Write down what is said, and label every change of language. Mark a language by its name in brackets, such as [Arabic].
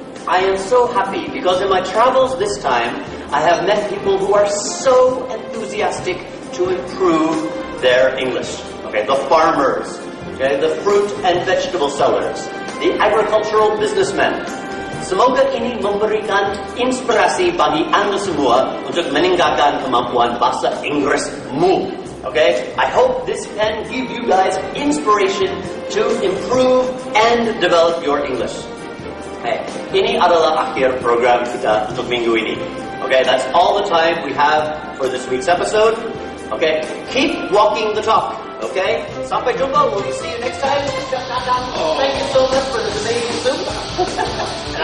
[English] I am so happy because in my travels this time, I have met people who are so enthusiastic to improve their English. Okay, the farmers. Okay, the fruit and vegetable sellers, the agricultural businessmen. [Indonesian] Semoga ini memberikan inspirasi bagi Anda semua untuk meningkatkan kemampuan bahasa Inggrismu. [English] Okay, I hope this can give you guys inspiration to improve and develop your English. [Indonesian] Okay, ini adalah akhir program kita untuk minggu ini. [English] Okay, that's all the time we have for this week's episode. Okay, keep walking the talk. Okay, [Indonesian] sampai jumpa. [English] We'll see you next time. Thank you so much for this amazing Zoom.